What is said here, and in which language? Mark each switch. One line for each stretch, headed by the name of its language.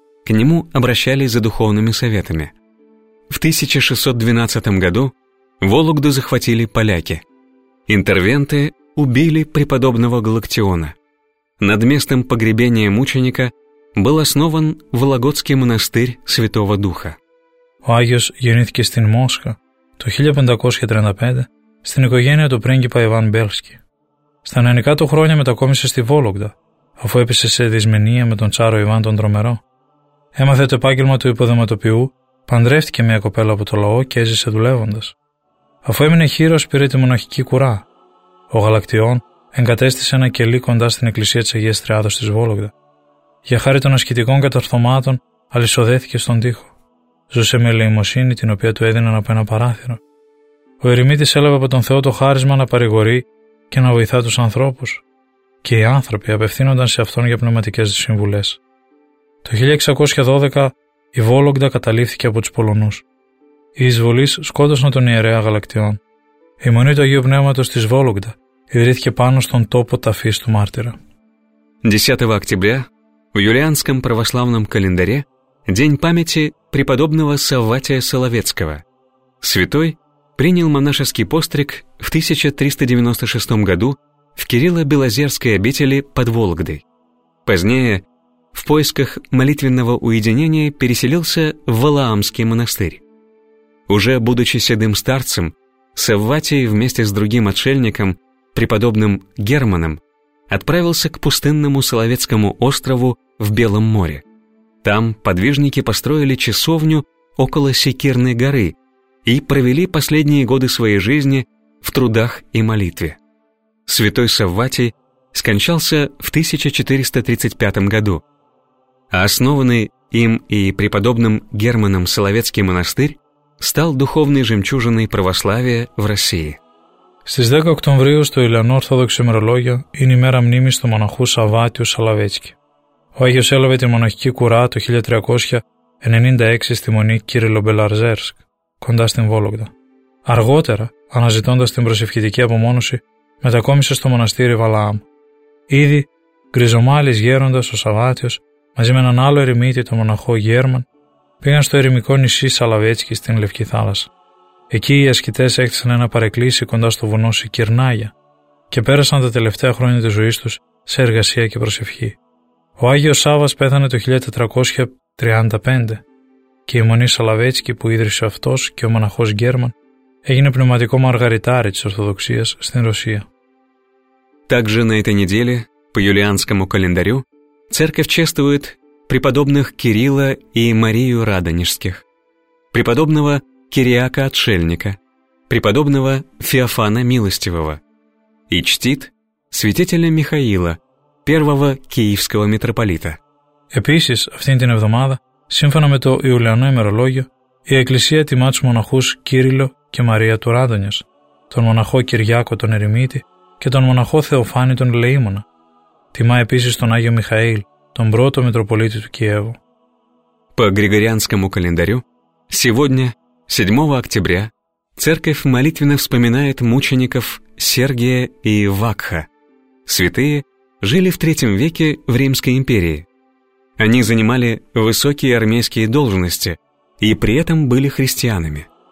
Russian: К нему обращались за духовными советами. В 1612 году Вологду захватили поляки. Интервенты убили преподобного Галактиона. Над местом погребения мученика был основан Вологодский монастырь Святого Духа.
Greek: Ο Άγιος γεννήθηκε στην Μόσχα το 1535 στην οικογένεια του πρίγκιπα Ιβάν Μπέλσκι. Στα νεανικά του χρόνια μετακόμισε στη Βόλογδα, αφού έπεσε σε δυσμενία με τον τσάρο Ιβάν τον Τρομερό. Έμαθε το επάγγελμα του υποδοματοποιού, παντρεύτηκε μια κοπέλα από το λαό και έζησε δουλεύοντας. Αφού έμεινε χείρος, πήρε τη μοναχική κουρά. Ο Γαλακτιών εγκατέστησε ένα κελί κοντά στην εκκλησία της Αγίας Τριάδος της Βόλογδα. Για χάρη των ασκητικών καταρθωμάτων, αλυσοδέθηκε στον τοίχο. Ζούσε με ελεημοσύνη την οποία του έδιναν από ένα παράθυρο. Ο ερημίτης έλαβε από τον Θεό το χάρισμα να παρηγορεί και να βοηθά τους ανθρώπους. Και οι άνθρωποι απευθύνονταν σε αυτόν για πνευματικές συμβουλές. Το 1612 η Βόλογδα καταλήφθηκε από τους Πολωνούς. Οι εισβολείς σκότωσαν τον ιερέα Γαλακτιών. Η μονή του Αγίου Πνεύματος της Βόλογδα ιδρύθηκε πάνω στον τόπο ταφής του μάρτυρα. 10 Οκτωβρίου,
Russian: в юлианском православном календаре, день памяти преподобного Савватия Соловецкого. Святой принял монашеский постриг в 1396 году в Кирилло-Белозерской обители под Вологдой. Позднее, в поисках молитвенного уединения, переселился в Валаамский монастырь. Уже будучи седым старцем, Савватий вместе с другим отшельником, преподобным Германом, отправился к пустынному Соловецкому острову в Белом море. Там подвижники построили часовню около Секирной горы и провели последние годы своей жизни в трудах и молитве. Святой Савватий скончался в 1435 году, а основанный им и преподобным Германом Соловецкий монастырь стал духовной жемчужиной православия в России.
Greek: Στις 10 Οκτωβρίου στο Ιλιανό Ορθόδοξο ημερολόγιο είναι η μέρα μνήμης του μοναχού Σαββάτιου Σαλαβέτσκι. Ο Άγιος έλαβε τη μοναχική κουρά το 1396 στη μονή Κυριλομπελαρζέρσκ, κοντά στην Βόλογδα. Αργότερα, αναζητώντας την προσευχητική απομόνωση, μετακόμισε στο μοναστήρι Βαλάμ. Ήδη, γκριζομάλης γέροντας ο Σαββάτιος, μαζί με έναν άλλο ερημίτη, τον μοναχό Γέρμαν, πήγαν στο ερημικό νησί Σαλαβέτσκι στην Λευκή Θάλασσα. Εκεί οι ασκητές έκτισαν ένα παρεκκλήσι κοντά στο βουνό Σικυρνάγια και πέρασαν τα τελευταία χρόνια της ζωής τους σε εργασία και προσευχή. Ο Άγιος Σάββας πέθανε το 1435 και η μονή Σαλαβέτσκι που ίδρυσε αυτός και ο μοναχός Γκέρμαν έγινε πνευματικό μαργαριτάρι της Ορθοδοξίας στην Ρωσία.
Russian: Также на этой неделе, по юлианскому календарю, церковь чествует преподобных Кирилла и Марию Радонежских, преподобного Кириака-отшельника, преподобного Феофана Милостивого, и чтит святителя Михаила, первого киевского митрополита.
Greek: Επίσης, αυτήν την εβδομάδα, σύμφωνα με το Ιουλιανό ημερολόγιο, η Εκκλησία τιμά τους μοναχούς Κύριλο και Μαρία του Ράδονιας, τον μοναχό Κυριάκο τον Ερημίτη και τον μοναχό Θεοφάνη τον Λεήμωνα. Τιμά επίσης τον Άγιο Μιχαήλ, τον πρώτο μητροπολίτη του Κιέβου.
Russian: По григорианскому календарю, сегодня, 7 октября, церковь молитвенно вспоминает мучеников Сергия и Вакха. Святые жили в III веке в Римской империи. Они занимали высокие армейские должности и при этом были христианами.